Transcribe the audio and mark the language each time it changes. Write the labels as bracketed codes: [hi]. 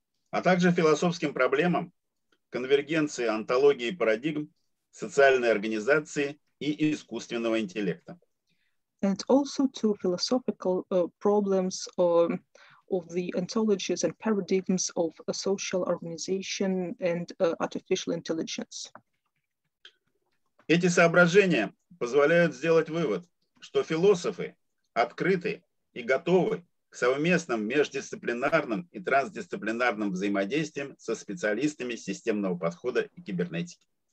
[ru] А также философским проблемам конвергенции онтологии парадигм, социальной организации и искусственного интеллекта. [en] And also to philosophical problems of the ontologies and paradigms of a social organization and artificial intelligence. [ru] Эти соображения позволяют сделать вывод, что философы открыты и готовы к совместным междисциплинарным и трансдисциплинарным взаимодействиям со специалистами системного подхода и кибернетики.